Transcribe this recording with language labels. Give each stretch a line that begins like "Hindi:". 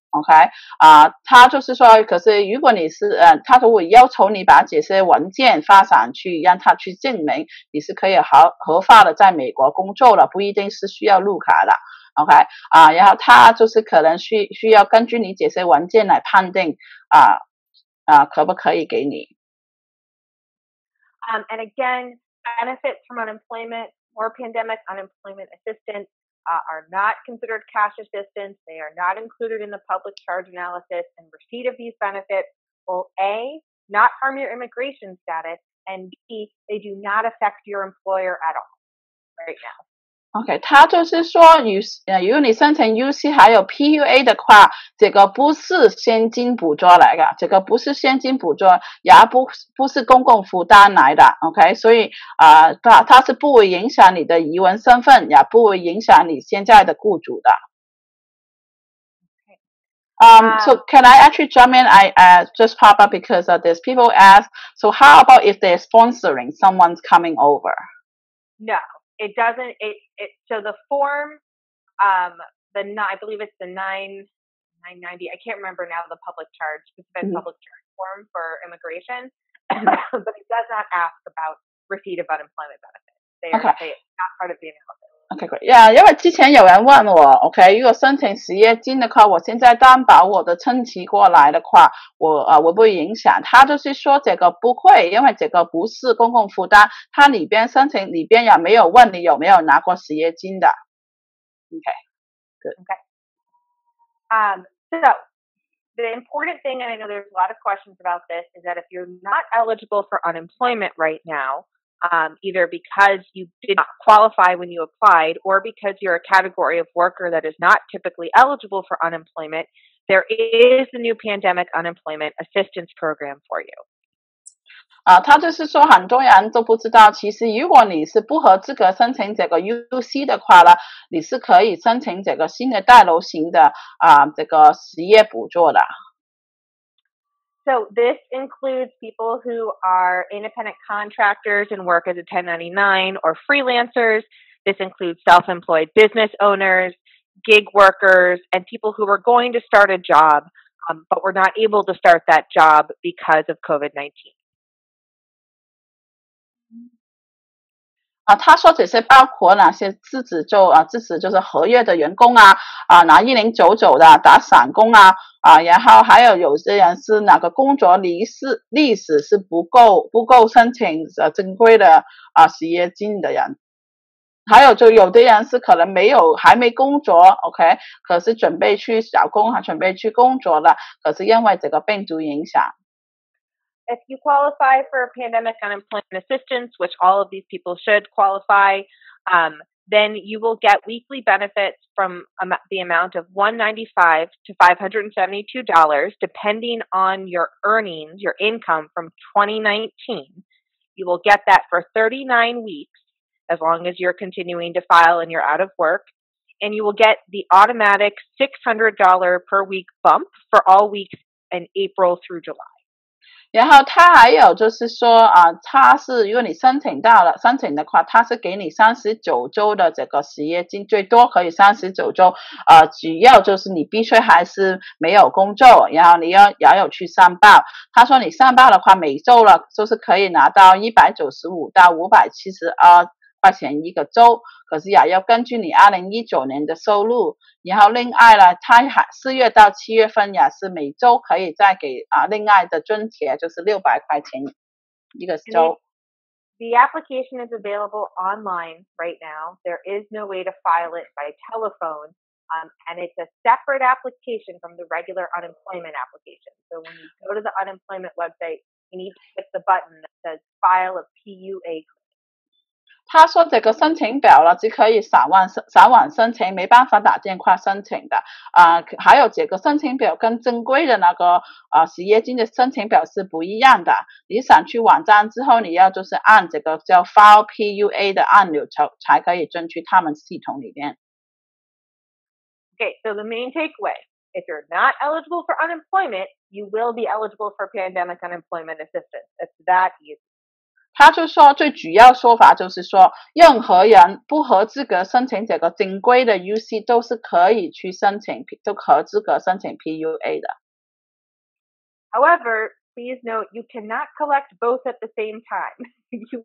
Chinese: OK, 啊，他就是说，可是如果你是他如果要求你把这些文件发上去，让他去证明你是可以合法的在美国工作了，不一定是需要绿卡的。 OK, 啊，然后他就是可能需要根据你这些文件来判定啊可不可以给你。
English: And again,benefits from unemployment or pandemic unemployment assistance are not considered cash assistance. They are not included in the public charge analysis, and receipt of these benefits will A, not harm your immigration status, and B, they do not affect your employer at all right now.
Chinese: OK, 他就是说如果你申请 UC 还有 PUA 的话，这个不是现金补助来的，这个不是现金补助，也不是公共负担来的。 OK, 所以他是不会影响你的移民身份，也不会影响你现在的雇主的。
English: So can I actually jump in? I just pop up because of this. People ask, so how about if they're sponsoring someone's coming over? No. It doesn't, it, so the form, I believe it's the 990, I can't remember now the public charge, it's been public charge form for immigration, but it does not ask about receipt of unemployment benefits. They are okay. Not part of the analysis. Okay, great.
Chinese: Yeah, 因为之前有人问我 ,OK, 如果申请失业金的话，我现在担保我的称提过来的话，我会不会影响？他就是说这个不会，因为这个不是公共负担，他里边申请里边也没有问你有没有拿过失业金的。
English: Okay, good. Okay. So, the important thing, and I know there's a lot of questions about this, is that if you're not eligible for unemployment right now,either because you did not qualify when you applied or because you're a category of worker that is not typically eligible for unemployment, there is the new pandemic unemployment assistance program for you.
Chinese: 他就是说很多人都不知道，其实如果你是不合资格申请这个 UC 的话呢，你是可以申请这个新的带楼型的这个失业补助的。
English: So this includes people who are independent contractors and work as a 1099 or freelancers. This includes self-employed business owners, gig workers, and people who were going to start a job, but were not able to start that job because of COVID-19.
Chinese: 啊，他说只是包括哪些自己就啊，自己就是合约的员工啊，啊，拿1099的打散工啊，啊，然后还有有些人是哪个工作历史是不够申请正规的啊失业金的人，还有就有的人是可能还没工作 ，OK， 可是准备去找工还准备去工作了，可是因为这个病毒影响。
English: If you qualify for pandemic unemployment assistance, which all of these people should qualify, then you will get weekly benefits from the amount of $195 to $572, depending on your earnings, your income from 2019. You will get that for 39 weeks, as long as you're continuing to file and you're out of work. And you will get the automatic $600 per week bump for all weeks in April through July.
Chinese: 然后他还有就是说啊，他是如果你申请到了申请的话，他是给你39周的这个失业金，最多可以39周，主要就是你必须还是没有工作，然后你要有去上报。他说你上报的话，每周了就是可以拿到195到572块钱一个周，可是也要根据你2019年的收入。然后另外呢，他还四月到七月份也是每周可以再给啊另外的津贴，就是600块钱一个周。
English: The application is available online right now. There is no way to file it by telephone. And it's a separate application from the regular unemployment application. So when you go to the unemployment website, you need to click the button that says file a PUA.
Chinese: 他说这个申请表了只可以散网申请，没办法打电话申请的。还有这个申请表跟正规的那个失业金的申请表是不一样的。你想去网站之后，你要就是按这个叫 File PUA 的按钮才可以进去他们系统里面。
English: Okay, so the main takeaway, if you're not eligible for unemployment, you will be eligible for pandemic unemployment assistance. It's that easy.
Chinese: 他就说最主要说法就是说任何人不合资格申请这个正规的 UC 都是可以去申请都合资格申请 PUA 的。
English: However, please note, you cannot collect both at the same time.